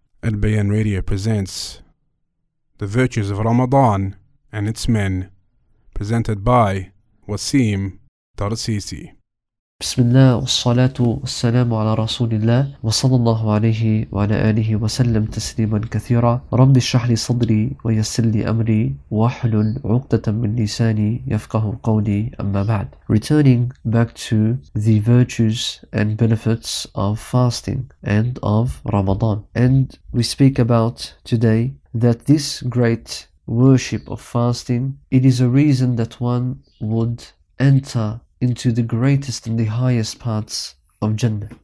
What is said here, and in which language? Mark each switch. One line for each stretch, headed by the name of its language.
English: Al-Bayan Radio presents The Virtues of Ramadan and Its Men, presented by Wasim Tarsisi.
Arabic: بسم الله والصلاة والسلام على رسول الله وصلى الله عليه وعلى آله وسلم تسليما كثيرا. رب اشرح لي صدري ويسر لي أمري واحلل عقدة من لساني يفقه قولي أما بعد.
English: Returning back to the virtues and benefits of fasting and of Ramadan. And we speak about today that this great worship of fasting, it is a reason that one would enter into the greatest and the highest parts of Jannah.